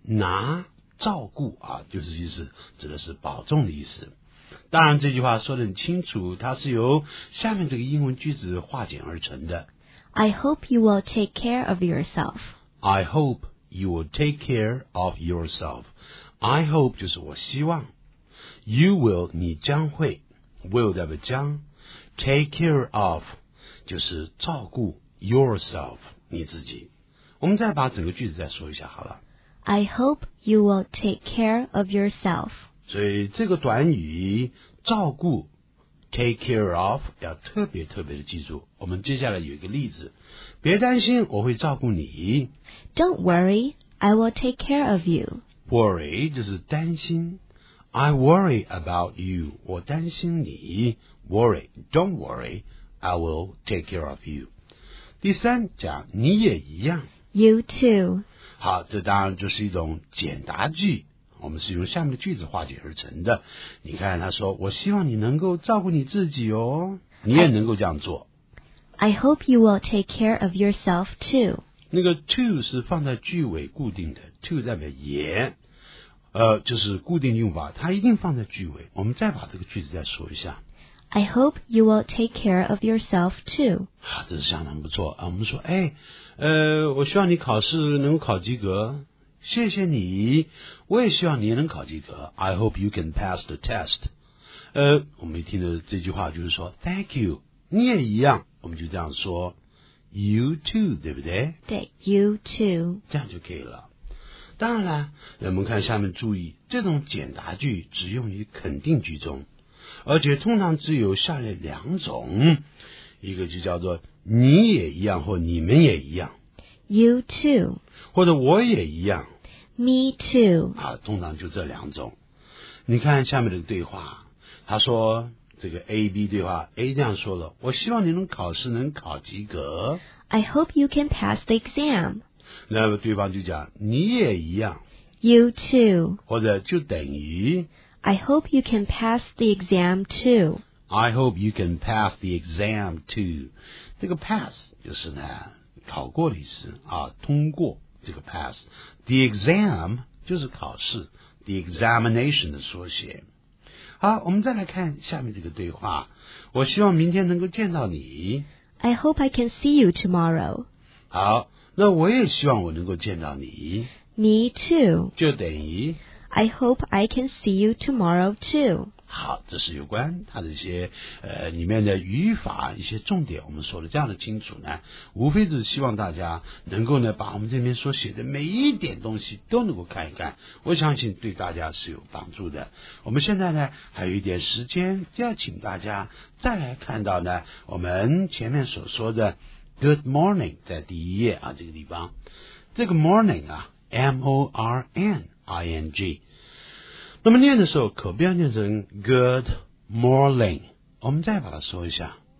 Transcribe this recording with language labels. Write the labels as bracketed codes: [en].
[zh] 拿照顾啊，就是意思指的是保重的意思，当然这句话说得很清楚，它是由下面这个英文句子化简而成的 I hope you will take care of yourself I hope 就是我希望 You will 你将会 Will 代表将 Take care of 就是照顾 yourself你自己，我们再把整个句子再说一下好了。 [en] I hope you will take care of yourself。 [zh] 所以这个短语照顾 take care of 要特别特别的记住。我们接下来有一个例子，别担心，我会照顾你。 [en] Don't worry, I will take care of you. [zh] Worry 就是担心 ， I worry about you，我担心你。 [en] Worry, don't worry, I will take care of you。 [zh] 第三讲你也一样 [en] You too [zh] 好这当然就是一种简答句我们是用下面的句子化解而成的你看他说我希望你能够照顾你自己哦你也能够这样做 [en] I hope you will take care of yourself too [zh] 那个 too 是放在句尾固定的 too 代表也就是固定用法它一定放在句尾我们再把这个句子再说一下 [en] I hope you will take care of yourself too. [zh] 好，这是相当不错啊。我们说，哎，我希望你考试能够考及格。谢谢你，我也希望你也能考及格。 [en] I hope you can pass the test. [zh] 我们一听到这句话就是说 ， Thank you，你也一样。我们就这样说 ， You too，对不对？ [en] 对，You too。 [zh] 这样就可以了。当然了，人们看下面注意，这种简答句只用于肯定句中，而且通常只有下列两种，一个就叫做你也一样或你们也一样 [en] You too [zh] 或者我也一样 [en] Me too [zh] 啊，通常就这两种。你看下面的对话，他说这个 AB 对话 A 这样说了，我希望你能考试能考及格 [en] I hope you can pass the exam。 [zh] 那么对方就讲你也一样 [en] You too [zh] 或者就等于 [en] I hope you can pass the exam too。 I hope you can pass the exam too。 [zh] 这个 pass 就是呢考过的意思啊，通过这个 pass。 The exam 就是考试， The examination 的缩写。好，我们再来看下面这个对话，我希望明天能够见到你。 [en] I hope I can see you tomorrow。 [zh] 好，那我也希望我能够见到你。 [en] Me too [zh] 就等于 [en] I hope I can see you tomorrow too。 [zh] 好，这是有关它的一些里面的语法一些重点，我们说的这样的清楚呢，无非是希望大家能够呢把我们这边所写的每一点东西都能够看一看，我相信对大家是有帮助的。我们现在呢还有一点时间，要请大家再来看到呢我们前面所说的 Good morning 在第一页啊，这个地方这个 morning 啊 M-O-R-N-I-N-G，那么念的时候可不要念成 Good morning， 我们再把它说一下